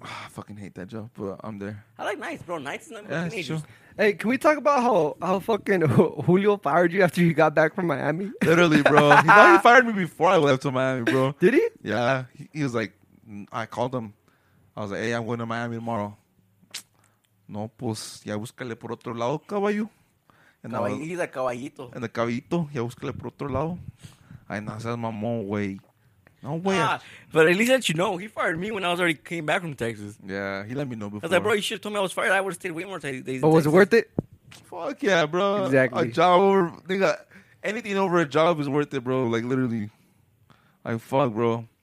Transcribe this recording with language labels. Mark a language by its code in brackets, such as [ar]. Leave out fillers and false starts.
[en] I fucking hate that job, but I'm there. I like nights, bro. Nights is not teenagers. Yeah, hey, can we talk about how fucking Julio fired you after you got back from Miami? Literally, bro. He thought he fired me before I left to Miami, bro. Did he? Yeah. He was like, I called him. I was like, hey, I'm going to Miami tomorrow. [es] No, pues, ya búscale por otro lado, caballo. [en] He's a caballito. [es] En el caballito, ya búscale por otro lado. Ay, no seas mamón, güey. No, güey. Ah, [en] but at least let you know, he fired me when I was already came back from Texas. Yeah, he let me know before. I was like, bro, you should have told me I was fired. I would have stayed way more days. But Texas. Was it worth it? Fuck yeah, bro. Exactly. A job over, nigga, anything over a job is worth it, bro. Like, literally. Like, fuck, bro.